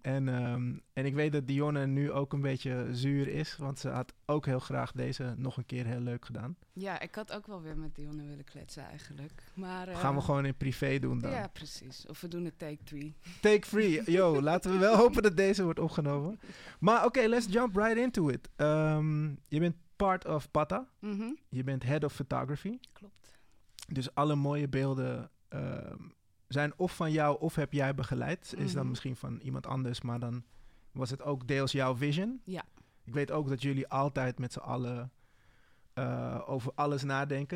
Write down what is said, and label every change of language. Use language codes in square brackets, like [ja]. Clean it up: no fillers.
[nl] En ik weet dat Dionne nu ook een beetje zuur is, want ze had ook heel graag deze nog een keer heel leuk gedaan. Ja, ik had ook wel weer met Dionne willen kletsen eigenlijk. Maar, gaan we gewoon in privé doen dan? Ja, precies. Of we doen het take three. [en] Take three. [nl] Yo, laten we wel hopen dat deze wordt opgenomen. Maar oké, [en] okay, let's jump right into it. [nl] Je bent part of Pata. Mm-hmm. Je bent head of photography. Klopt. Dus alle mooie beelden zijn of van jou of heb jij begeleid. Is dan misschien van iemand anders, maar dan was het ook deels jouw vision. Ja. Ik weet ook dat jullie altijd met z'n allen over alles nadenken.